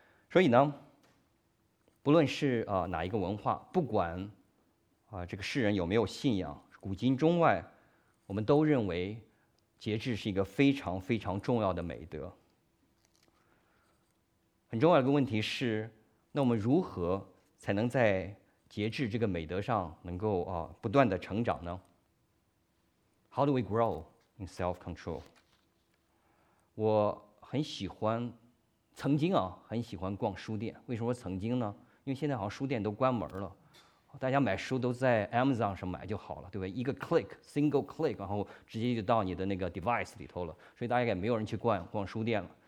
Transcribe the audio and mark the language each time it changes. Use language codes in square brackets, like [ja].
[zh] 所以呢，不论是哪一个文化，不管这个世人有没有信仰，古今中外，我们都认为节制是一个非常非常重要的美德。很重要的一个问题是，那我们如何才能在节制这个美德上能够不断的成长呢？ [en] How do we grow in self-control? [zh] 我很喜欢，曾经很喜欢逛书店。为什么曾经呢？因为现在好像书店都关门了，大家买书都在 Amazon 上买就好了，对吧？一个 click, [en] single click, [zh] 然后直接就到你的那个 device 里头了，所以大家也没有人去逛书店了。